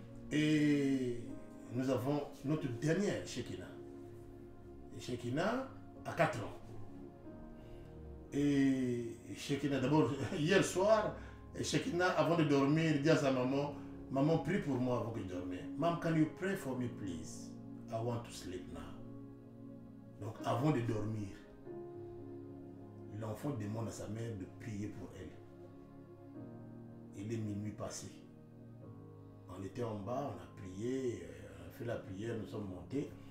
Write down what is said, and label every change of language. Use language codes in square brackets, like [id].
[fr] Et nous avons notre dernière Shekinah. Shekinah a 4 ans. Et Shekinah, d'abord, hier soir, Shekinah, avant de dormir, dit à sa maman, « Maman, prie pour moi avant que je dorme. [en] Mom, can you pray for me, please? I want to sleep now. [fr] » Donc, avant de dormir, l'enfant demande à sa mère de prier pour elle. Il est minuit passé. On était en bas, on a prié, on a fait la prière, nous sommes montés.